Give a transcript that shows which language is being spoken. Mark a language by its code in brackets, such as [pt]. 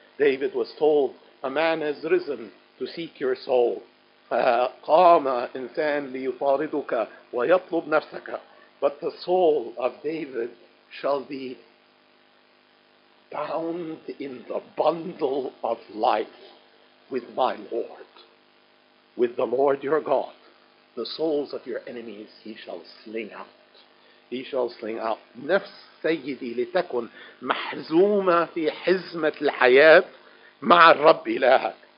[en] David was told, a man has risen to seek your soul. [ar] قام إنسان ليطاردك ويطلب نفسك. [en] But the soul of David shall be bound in the bundle of life with my Lord, with the Lord your God. The souls of your enemies he shall sling out. He shall sling out. [ar] نفس سيدي لتكن محزومة في حزمة الحياة مع الرب إلهك.